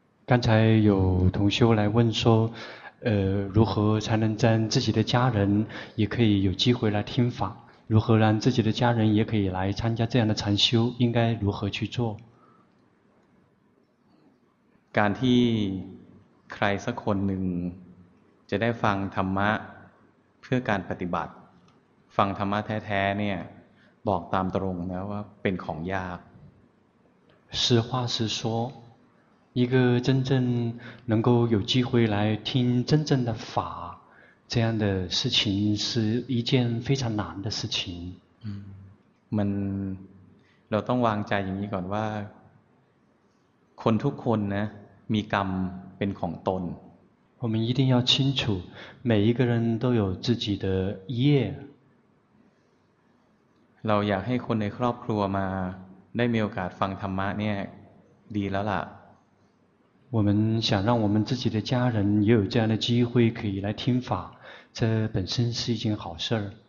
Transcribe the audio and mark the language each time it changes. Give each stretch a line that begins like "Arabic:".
Chinese: 刚才有同修来问说如何才能让自己的家人也可以有机会来听法如何让自己的家人也可以来参加这样的禅修应该如何去做
Thai: การที่ใครสักคนหนึ่งจะได้ฟังธรรมะเพื่อการปฏิบัติฟังธรรมะแท้ๆเนี่ยบอกตามตรงนะว่าเป็นของยาก
Chinese: 实话实说一个真正能够有机会来听真正的法这样的事情是一件非常难的事情
Thai: มันเราต้องวางใจอย่างนี้ก่อนว่าคนทุกคนนะมีกรรมเป็นของตน
Chinese: 我们一定要清楚，每一个人都有自己的业。
Thai: เราอยากให้คนในครอบครัวมาได้มีโอกาสฟังธรรมะเนี่ยดีแล้วล่ะ
Chinese: 我们想让我们自己的家人也有这样的机会可以来听法，这本身是一件好事儿。